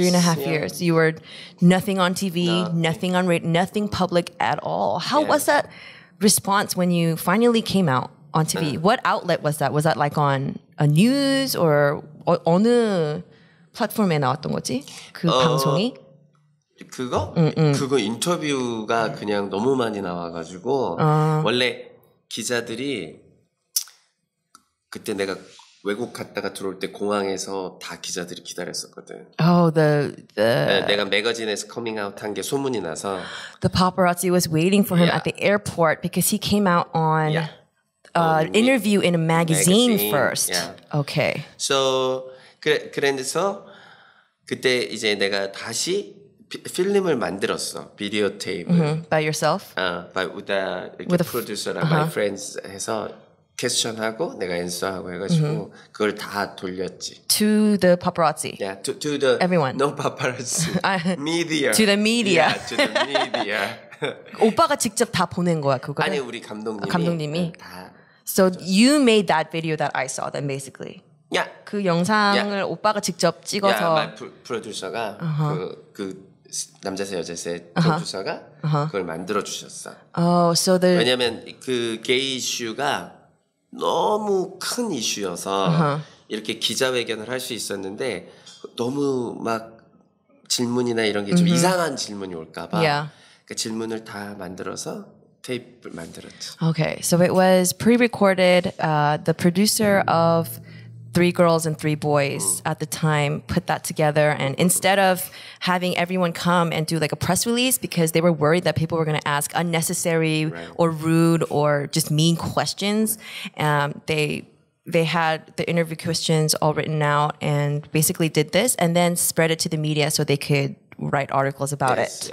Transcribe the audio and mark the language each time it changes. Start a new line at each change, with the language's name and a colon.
English: Three and a half years. You were nothing on TV, nothing on radio, nothing public at all. How was that response when you finally came out on TV? What outlet was that? Was that like on a news or on the platform
Korean: 나왔던 거지? 그 방송이? 그거? 그거 인터뷰가 그냥 너무 많이 나와가지고 원래 기자들이 그때 내가 외국 갔다가 들어올 때 공항에서 다 기자들이 기다렸었거든.
English: Oh, the
Korean: 내가 매거진에서 coming out 한 게 소문이 나서
English: The paparazzi was waiting for him at the airport because he came out on an interview in a magazine. First. Yeah. Okay.
Korean: So 그래서 그때 이제 내가 다시 필름을 만들었어. 비디오 테이프.
English: Mm-hmm. By yourself? With a producer, my friends
Korean: 해서 캐스션하고 내가 연습하고 해가지고 그걸 다 돌렸지.
English: To the paparazzi. Yeah, to the everyone. No paparazzi. Media. To the media. Yeah, to the media.
Korean: 오빠가 직접 다 보낸 거야 그거. 아니 우리 감독님이. 감독님이.
English: So you made that video that I saw. Then basically. Yeah.
Korean: 그 영상을 오빠가 직접 찍어서.
English: Yeah, my producer
Korean: 가 그 남자세 여자세 producer가 그걸 만들어 주셨어.
English: Oh, so the.
Korean: 왜냐면 그 gay 이슈가 너무 큰 이슈여서 이렇게 기자회견을 할 수 있었는데 너무 막 질문이나 이런 게 좀 이상한 질문이 올까 봐 그 질문을 다 만들어서 테이프를 만들었죠.
English: Okay, so it was pre-recorded. The producer of Three Girls and Three Boys at the time put that together. And instead of having everyone come and do like a press release because they were worried that people were going to ask unnecessary or rude or just mean questions, they had the interview questions all written out and basically did this and then spread it to the media so they could write articles about it.